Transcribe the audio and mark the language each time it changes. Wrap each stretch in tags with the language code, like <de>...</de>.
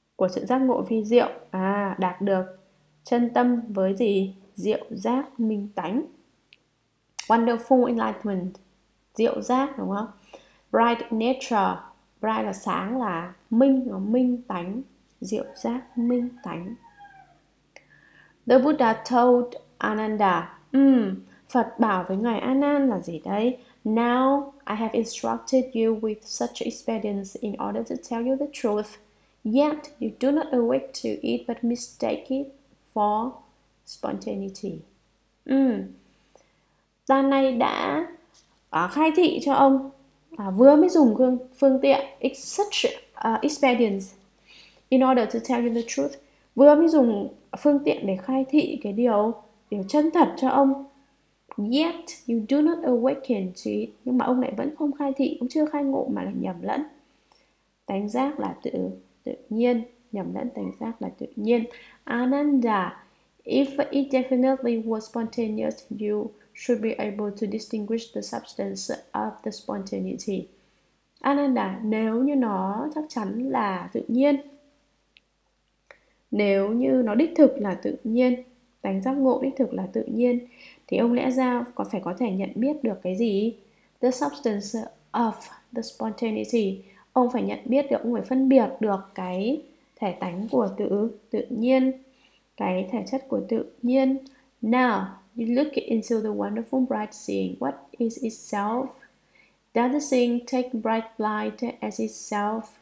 <vi>sự giác ngộ vi diệu, đạt được chân tâm với gì, diệu giác minh tánh,</vi> <en>wonderful enlightenment,</en> <vi>diệu giác đúng không,</vi> <en>bright nature,</en> <vi>bright là sáng, là minh, nó minh tánh, diệu giác minh tánh.</vi> <en>The Buddha told Ananda,</en> <vi>Phật bảo với ngài Anan là gì đấy?</vi> <en>Now I have instructed you with such expedience in order to tell you the truth, yet you do not awake to it but mistake it for spontaneity.</en> <vi>Ta này đã khai thị cho ông, vừa mới dùng phương tiện,</vi> <en>it's such expedience in order to tell you the truth,</en> <vi>vừa mới dùng phương tiện để khai thị cái điều chân thật cho ông.</vi> <en>Yet you do not awaken to it.</en> <vi>Nhưng mà ông lại vẫn không khai thị, cũng chưa khai ngộ mà lại nhầm lẫn. Tánh giác là tự nhiên, nhầm lẫn tánh giác là tự nhiên.</vi> <en>Ananda, if it definitely was spontaneous, you should be able to distinguish the substance of the spontaneity.</en> <vi>Ananda, nếu như nó chắc chắn là tự nhiên, nếu như nó đích thực là tự nhiên, tánh giác ngộ đích thực là tự nhiên, thì ông lẽ ra có phải có thể nhận biết được cái gì,</vi> <en>the substance of the spontaneity,</en> <vi>ông phải nhận biết được, ông phải phân biệt được cái thể tánh của tự tự nhiên, cái thể chất của tự nhiên.</vi> <en>Now, you look into the wonderful bright scene. What is itself? Does the scene take bright light as itself?</en>